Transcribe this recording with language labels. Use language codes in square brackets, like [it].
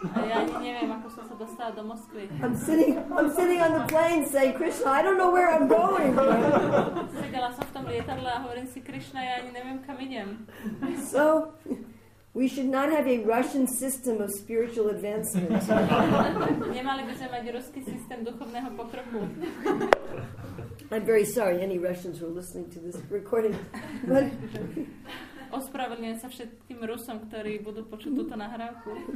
[sk] A ja ani neviem, ako som sa dostala do Moskvy. [en] I'm sitting on the plane saying, Krishna, I don't know where I'm going. [sk] Sedela som v tom lietadle a hovorím si, Krishna, ja ani neviem, kam idem. [en] So, we should not have a Russian system of spiritual advancement. [sk] Nemali by sme mať ruský systém duchovného pokroku. [en] I'm very sorry, any Russians who are listening to this recording. [sk] Ospravedlňujem sa všetkým Rusom, ktorí budú počuť túto nahrávku.